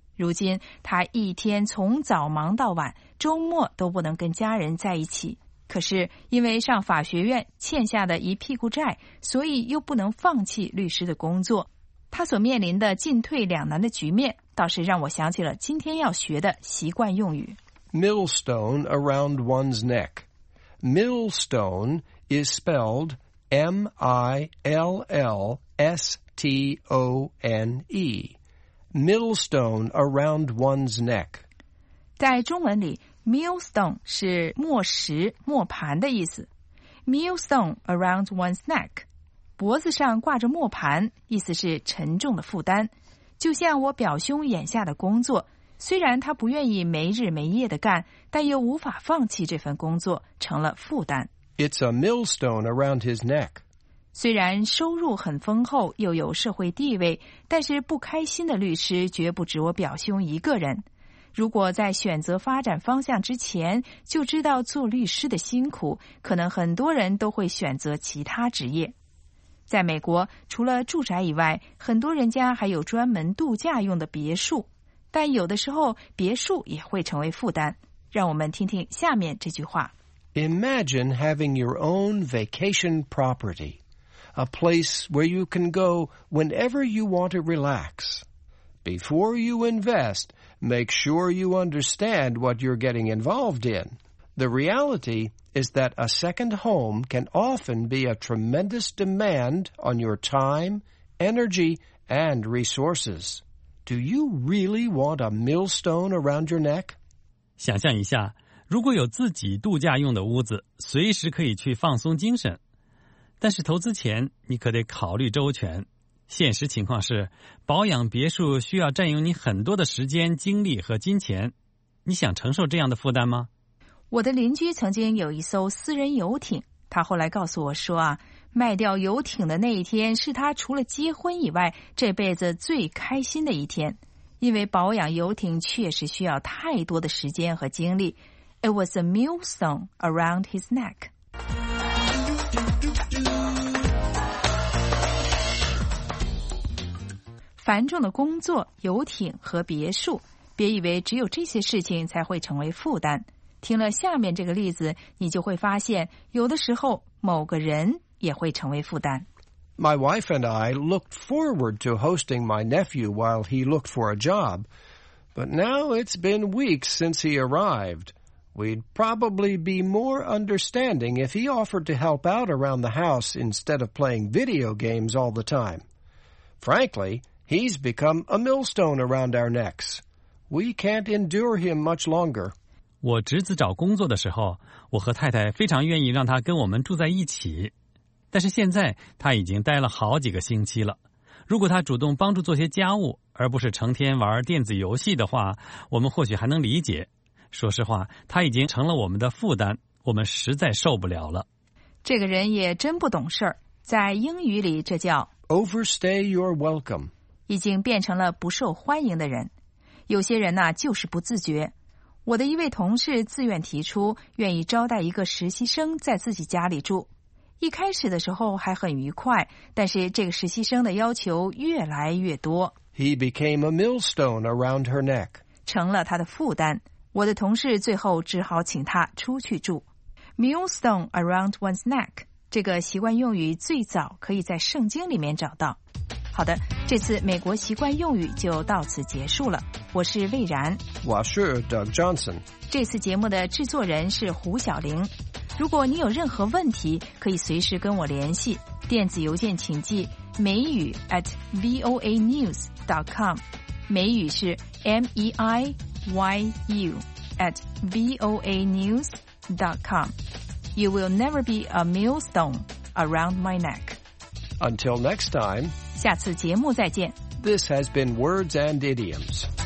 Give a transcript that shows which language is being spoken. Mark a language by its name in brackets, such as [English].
[Chinese] 如今他一天从早忙到晚，周末都不能跟家人在一起。可是因为上法学院欠下的一屁股债，所以又不能放弃律师的工作。他所面临的进退两难的局面，倒是让我想起了今天要学的习惯用语 [English] Millstone around one's neck. Millstone is spelled M-I-L-L-S-T-O-N-E. Millstone around one's neck. [Chinese] 在中文里 ,millstone 是磨石、磨盘的意思。 [English] Millstone around one's neck. [Chinese] 脖子上挂着磨盘，意思是沉重的负担。就像我表兄眼下的工作。虽然他不愿意没日没夜的干，但又无法放弃这份工作，成了负担。 [English] It's a millstone around his neck. [Chinese] 虽然收入很丰厚，又有社会地位，但是不开心的律师绝不只我表兄一个人。如果在选择发展方向之前，就知道做律师的辛苦，可能很多人都会选择其他职业。在美国，除了住宅以外，很多人家还有专门度假用的别墅。但有的时候别墅也会成为负担。让我们听听下面这句话。 [English] Imagine having your own vacation property, a place where you can go whenever you want to relax. Before you invest, make sure you understand what you're getting involved in. The reality is that a second home can often be a tremendous demand on your time, energy, and resources. Do you really want a millstone around your neck? [Chinese] 想象一下，如果有自己度假用的屋子，随时可以去放松精神。但是投资前，你可得考虑周全。现实情况是，保养别墅需要占用你很多的时间、精力和金钱。你想承受这样的负担吗？我的邻居曾经有一艘私人游艇，他后来告诉我说啊，卖掉游艇的那一天是他除了结婚以外这辈子最开心的一天，因为保养游艇确实需要太多的时间和精力。 [English] It was a millstone around his neck. [Chinese] 繁重的工作、游艇和别墅，别以为只有这些事情才会成为负担。听了下面这个例子，你就会发现有的时候某个人也会成为负担。 [English] My wife and I looked forward to hosting my nephew while he looked for a job, but now it's been weeks since he arrived. We'd probably be more understanding if he offered to help out around the house instead of playing video games all the time. Frankly, he's become a millstone around our necks. We can't endure him much longer. [Chinese] 我侄子找工作的时候，我和太太非常愿意让他跟我们住在一起。但是现在他已经待了好几个星期了，如果他主动帮助做些家务而不是成天玩电子游戏的话，我们或许还能理解。说实话，他已经成了我们的负担，我们实在受不了了。这个人也真不懂事儿，在英语里这叫 [English] overstay your welcome， [Chinese] 已经变成了不受欢迎的人。有些人呢，就是不自觉。我的一位同事自愿提出愿意招待一个实习生在自己家里住，一开始的时候还很愉快，但是这个实习生的要求越来越多。 [English] He became a millstone around her neck. [Chinese] 成了他的负担。我的同事最后只好请他出去住。 [English] Millstone around one's neck. [Chinese] 这个习惯用语最早可以在圣经里面找到。好的，这次美国习惯用语就到此结束了。我是魏然。我是 Doug Johnson。这次节目的制作人是胡晓玲。如果你有任何问题，可以随时跟我联系。电子邮件请寄美语 @voanews.com， 美语是 meiyu@voanews.com. [English] You will never be a millstone around my neck. Until next time. [Chinese] 下次节目再见。 [English] This has been Words and Idioms.